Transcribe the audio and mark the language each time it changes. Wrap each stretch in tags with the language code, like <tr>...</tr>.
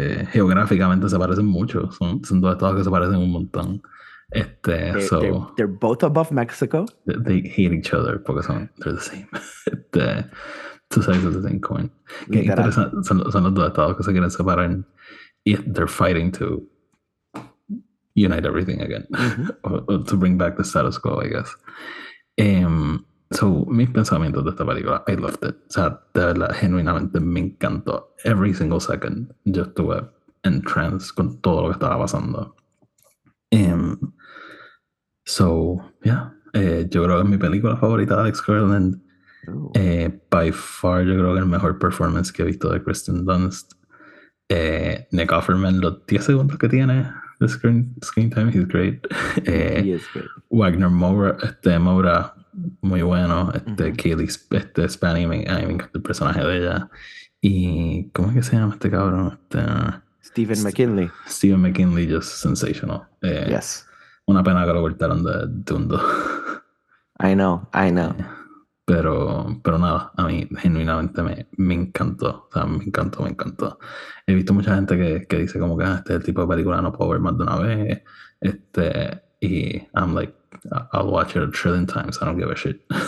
<es>Geográficamente se parecen mucho. Son dos estados que se parecen un montón.</es> <en>They're both above Mexico. They hate each other</en> <es>porque son...</es> <en>They're the same. Two sides of the same coin.</en> <es>Qué interesante. Son los dos estados que se quieren separar.</es> <en>Y they're fighting to unite everything again. Mm-hmm. or to bring back the status quo, I guess.</en> <es>So, mis pensamientos de esta película,</es> <en>I loved it.</en> <es>O sea, de verdad, genuinamente me encantó.</es> <en>Every single second,</en> <es>yo estuve en trance con todo lo que estaba pasando. Yo creo que es mi película favorita de Alex Garland.</es> <en>By far,</en> <es>yo creo que el mejor performance que he visto de Kristen Dunst. Nick Offerman, los 10 segundos que tiene de</es> <en>screen time, he's great. He is great.</en> <es>Wagner Moura, Moura, muy bueno. Uh-huh. Kaylee Spani, me encanta el personaje de ella. Y, ¿cómo es que se llama este cabrón?</es> <en>Stephen McKinley. Stephen McKinley, just sensational. Yes.</en> <es>Una pena que lo cortaron de Dundo.</es> <en>I know.</en> <es>Pero nada, a mí genuinamente me encantó. O sea, me encantó. He visto mucha gente que dice como que este tipo de película no puedo ver más de una vez.</es> <en>Y I'm like, I'll watch it a trillion times, I don't give a shit.</en>